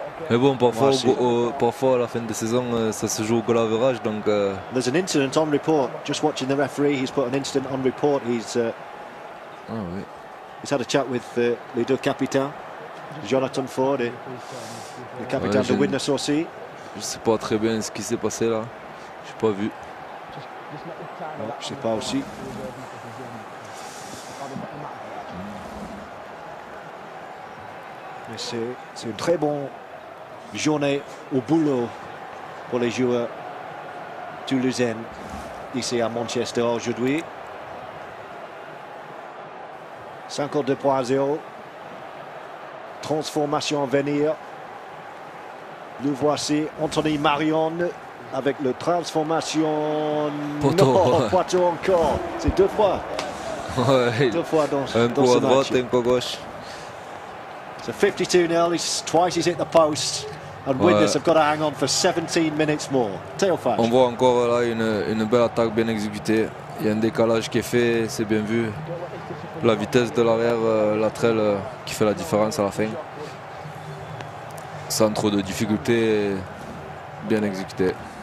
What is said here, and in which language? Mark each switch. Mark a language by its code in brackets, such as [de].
[fr] Mais bon, parfois à la fin de saison, ça se joue au goal average, donc. [en] There's an incident on report. Just watching the referee, he's put an incident on report. He's. [fr] Ah oui. [en] He's had a chat with [fr] les deux capitaines, Jonathan Ford et le capitaine de Widnes aussi. Je sais pas très bien ce qui s'est passé là. J'ai pas vu. Non, je sais pas aussi. Mais c'est une très bonne journée au boulot pour les joueurs toulousains ici à Manchester aujourd'hui. 52.0. Transformation à venir. Nous voici Anthony Marion avec le transformation. Poteau encore. C'est deux fois. Ouais. Deux fois dans, un dans coup ce à droite match. Et un coup à gauche. [en] So 52-0, twice he's hit the post, and ouais. Widnes have got to hang on for 17 minutes more. Théophage. [fr] On voit encore là une belle attaque bien exécutée. Il y a un décalage qui est fait, c'est bien vu. La vitesse de l'arrière, la trail qui fait la différence à la fin. Sans trop de difficultés, bien exécuté.